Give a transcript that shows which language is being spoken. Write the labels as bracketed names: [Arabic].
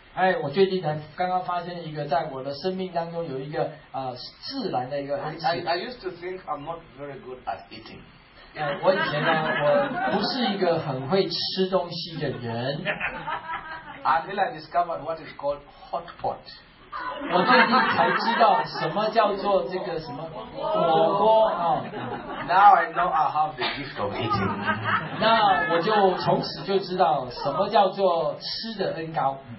[Chinese] 哎，我最近才刚刚发现一个，在我的生命当中有一个自然的一个恩赐。 [English] I used to think I'm not very good at eating. [Chinese] 我以前呢，我不是一个很会吃东西的人。 [English] Until I discovered what is called hot pot. [Chinese] 我最近才知道什么叫做这个什么火锅啊。 [English] Now I know I have the gift of eating. [Chinese] 那我就从此就知道什么叫做吃的恩膏。